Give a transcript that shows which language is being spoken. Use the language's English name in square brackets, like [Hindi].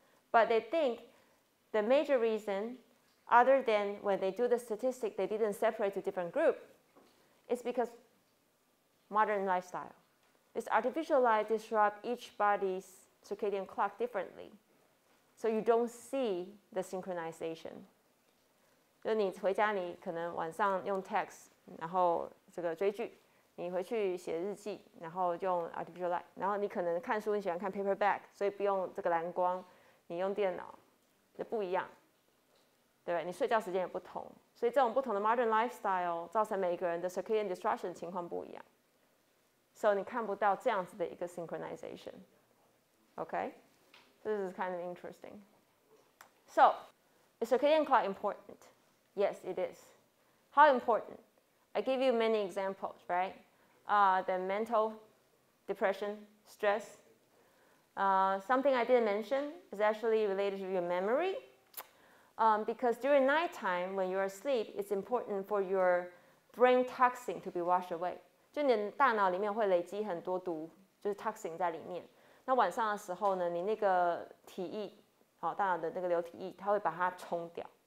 [English] But they think the major reason, other than when they do the statistic, they didn't separate to different group, is because modern lifestyle. This artificial light disrupts each body's circadian clock differently. So you don't see the synchronization. [Chinese] 就你回家你可能晚上用 text, 然后这个追剧。你回去写日记，然后用 artificial light， 然后你可能看书，你喜欢看 paperback， 所以不用这个蓝光，你用电脑，就不一样，对吧？你睡觉时间也不同，所以这种不同的 modern lifestyle 造成每一个人的 circadian disruption 情况不一样，所以你看不到这样子的一个 synchronization。 [English] OK， this is kind of interesting. So, is circadian clock important? Yes, it is. How important? I give you many examples, right? The mental depression, stress. Something I didn't mention is actually related to your memory. Because during nighttime, when you are asleep, it's important for your brain toxin to be washed away. [Chinese] 就你大脑里面会累积很多毒，就是 toxin 在里面。那晚上的时候呢，你那个体液，哦，大脑的那个流体液，它会把它冲掉。